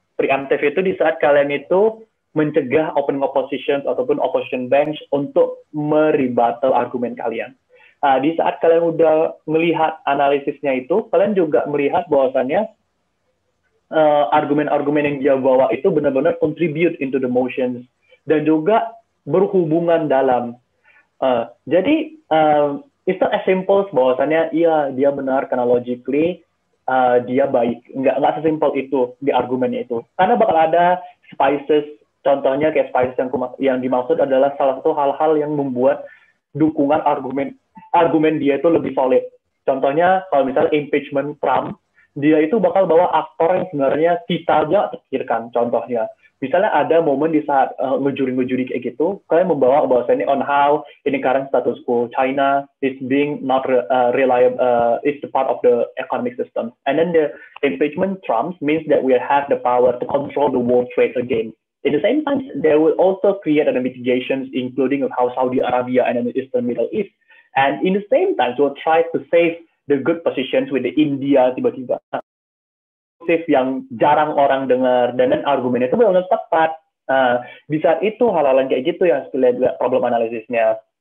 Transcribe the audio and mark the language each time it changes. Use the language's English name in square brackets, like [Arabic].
[Indonesian] Preemptive itu di saat kalian itu mencegah opening opposition ataupun opposition bench untuk merebuttal argumen kalian. Nah, di saat kalian udah melihat analisisnya itu, kalian juga melihat bahwasannya argumen-argumen yang dia bawa itu benar-benar [English] contribute into the motions [Indonesian] dan juga berhubungan dalam. Jadi, [English] it's not as simple as [Indonesian] bahwasannya iya dia benar karena logically dia baik. Nggak sesimple itu di argumennya itu. Karena bakal ada spices. Contohnya kayak spices yang dimaksud adalah salah satu hal-hal yang membuat dukungan argumen dia itu lebih solid. Contohnya kalau misalnya impeachment Trump, dia itu bakal bawa aktor yang sebenarnya kita nggak pikirkan. Contohnya, misalnya ada momen di saat ngejuri-ngejuri kayak gitu, kalian membawa bahwasannya [English] on how in the current status quo China is being not reliable, is the part of the economic system. And then the impeachment Trump means that we have the power to control the world trade again. At the same time, they will also create a mitigations, including of how Saudi Arabia and then the Eastern Middle East. And in the same time, so try to save the good positions with the India [Indonesian] tiba-tiba. Save yang jarang orang dengar, dan then argumennya itu benar-benar tepat. Di saat itu hal-hal kayak gitu yang sebenarnya juga problem analisisnya.